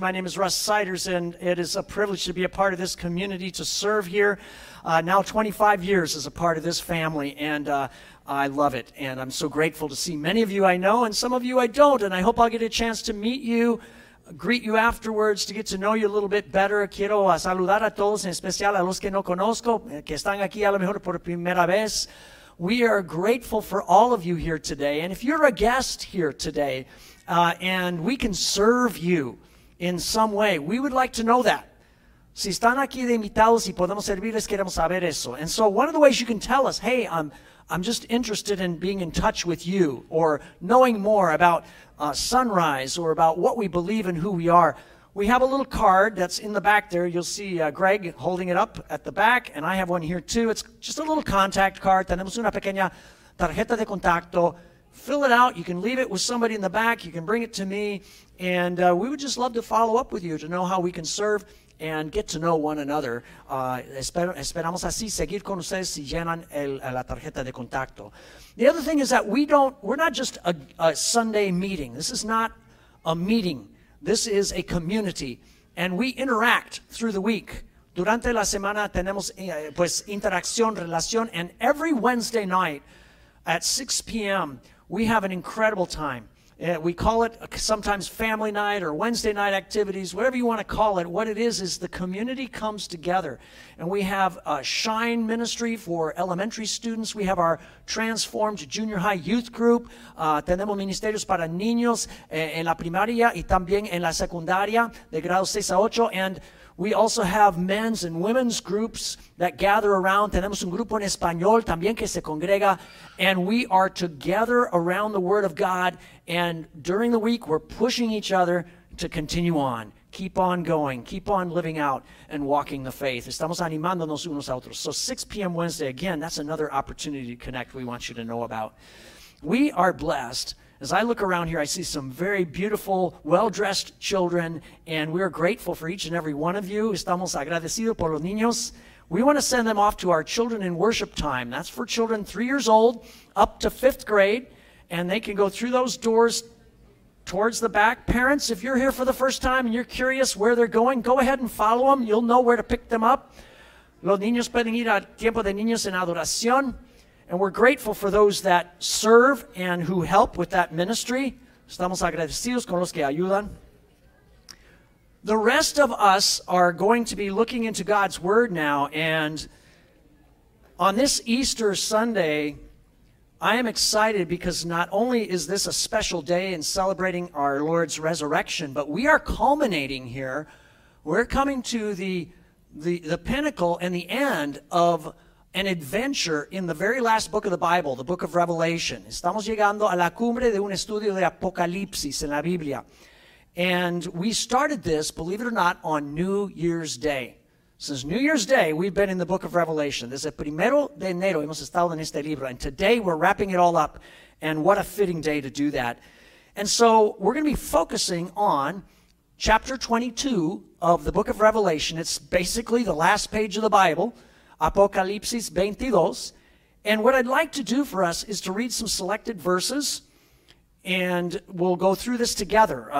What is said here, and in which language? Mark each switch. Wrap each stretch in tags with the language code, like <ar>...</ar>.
<en>My name is Russ Siders, and it is a privilege to be a part of this community, to serve here now 25 years as a part of this family, and I love it, and I'm so grateful to see many of you I know and some of you I don't, and I hope I'll get a chance to meet you, greet you afterwards, to get to know you a little bit better.</en> <es>Quiero saludar a todos, en especial a los que no conozco, que están aquí a lo mejor por primera vez.</es> <en>We are grateful for all of you here today, and if you're a guest here today, and we can serve you in some way, we would like to know that.</en> <es>Si están aquí de invitados y podemos servirles, queremos saber eso.</es> <en>And so one of the ways you can tell us, hey, I'm just interested in being in touch with you, or knowing more about Sunrise, or about what we believe and who we are. We have a little card that's in the back there. You'll see Greg holding it up at the back, and I have one here too. It's just a little contact card.</en> <es>Tenemos una pequeña tarjeta de contacto.</es> <en>Fill it out. You can leave it with somebody in the back. You can bring it to me, and we would just love to follow up with you to know how we can serve and get to know one another.</en> <es>Esperamos así seguir con ustedes si llenan la tarjeta de contacto.</es> <en>The other thing is that we're not just a Sunday meeting. This is not a meeting. This is a community, and we interact through the week.</en> <es>Durante la semana tenemos pues interacción, relación,</es> <en>and every Wednesday night at 6 p.m., we have an incredible time. We call it sometimes family night or Wednesday night activities, whatever you want to call it. What it is the community comes together, and we have a Shine Ministry for elementary students. We have our Transformed Junior High Youth Group.</en> <es>Tenemos ministerios para niños en la primaria y también en la secundaria de grados 6 a 8.</es> <en>And we also have men's and women's groups that gather around.</en> <es>Tenemos un grupo en español también que se congrega.</es> <en>And we are together around the Word of God. And during the week, we're pushing each other to continue on. Keep on going. Keep on living out and walking the faith.</en> <es>Estamos animándonos unos a otros.</es> <en>So 6 p.m. Wednesday, again, that's another opportunity to connect we want you to know about. We are blessed. As I look around here, I see some very beautiful, well-dressed children, and we are grateful for each and every one of you.</en> <es>Estamos agradecidos por los niños.</es> <en>We want to send them off to our children in worship time. That's for children 3 years old up to fifth grade, and they can go through those doors towards the back. Parents, if you're here for the first time and you're curious where they're going, go ahead and follow them. You'll know where to pick them up.</en> <es>Los niños pueden ir a tiempo de niños en adoración.</es> <en>And we're grateful for those that serve and who help with that ministry.</en> <es>Estamos agradecidos con los que ayudan.</es> <en>The rest of us are going to be looking into God's Word now. And on this Easter Sunday, I am excited because not only is this a special day in celebrating our Lord's resurrection, but we are culminating here. We're coming to the pinnacle and the end of an adventure in the very last book of the Bible, the book of Revelation.</en> <es>Estamos llegando a la cumbre de un estudio de Apocalipsis en la Biblia.</es> <en>And we started this, believe it or not, on New Year's Day. Since New Year's Day, we've been in the book of Revelation.</en> <es>Desde primero de enero hemos estado en este libro.</es> <en>And today we're wrapping it all up. And what a fitting day to do that. And so we're going to be focusing on chapter 22 of the book of Revelation. It's basically the last page of the Bible. Apocalipsis 22, and what I'd like to do for us is to read some selected verses, and we'll go through this together.</en>